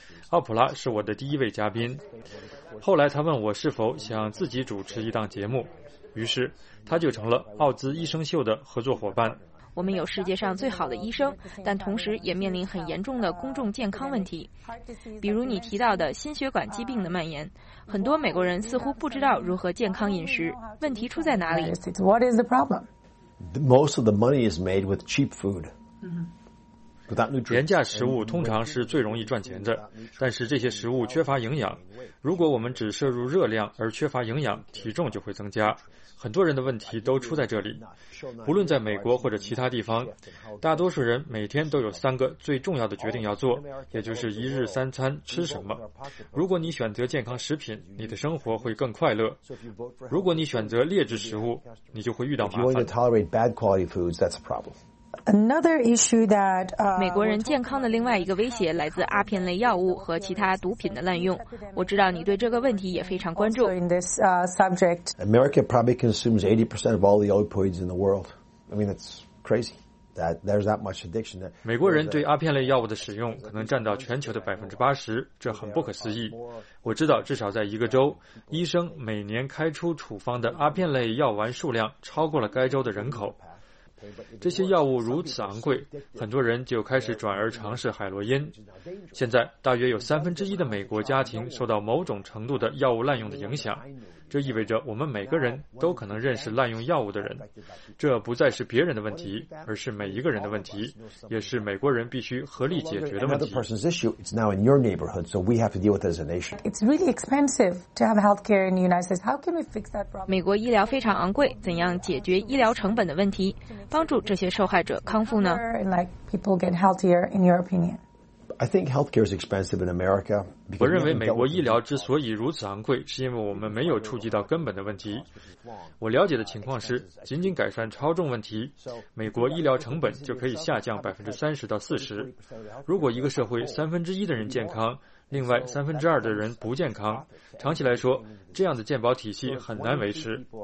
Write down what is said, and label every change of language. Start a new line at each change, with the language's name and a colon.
Chinese: 奥普拉是我的第一位嘉宾，后来他问我是否想自己主持一档节目，于是他就成了奥兹医生秀的合作伙伴。我们有世界上最好的医生，但同时也面临很严重的公众健康问题，比如你提到的心血管疾病的蔓延，很多美国人似乎不知道如何健康饮食，问题出在哪里？
English: What is the problem? Most of the money is made with cheap food.
Chinese: 廉价食物通常是最容易赚钱的，但是这些食物缺乏营养，如果我们只摄入热量而缺乏营养，体重就会增加，很多人的问题都出在这里。不论在美国或者其他地方，大多数人每天都有三个最重要的决定要做，也就是一日三餐吃什么。如果你选择健康食品，你的生活会更快乐，如果你选择劣质食物，你就会遇到麻烦。
English: Another issue that,
Chinese: 美国人健康的另外一个威胁来自阿片类药物和其他毒品的滥用。我知道你对这个问题也非常关注。
English: America probably consumes 80% of all the opioids in the world. I mean, it's crazy that there's that much addiction.
Chinese: 美国人对阿片类药物的使用可能占到全球的80%，这很不可思议。我知道至少在一个州，医生每年开出处方的阿片类药丸数量超过了该州的人口。这些药物如此昂贵，很多人就开始转而尝试海洛因。现在大约有1/3的美国家庭受到某种程度的药物滥用的影响，这意味着我们每个人都可能认识滥用药物的人。这不再是别人的问题，而是每一个人的问题，也是美国人必须合力解决的问题。
English: Another person's issue is now in your neighborhood, so we have to deal with it as a nation. It's really expensive to have healthcare in the United States. How can we fix that problem?
Chinese: 美国医疗非常昂贵，怎样解决医疗成本的问题，帮助这些受害者康复呢？
English: Like people get healthier, in your opinion? I think healthcare is expensive in America.
Chinese: 我认为美国医疗之所以如此昂贵，是因为我们没有触及到根本的问题。我了解的情况是，仅仅改善超重问题，美国医疗成本就可以下降30%-40%。如果一个社会1/3的人健康，另外三分之二的人不健康，长期来说这样的健保体系很难维持。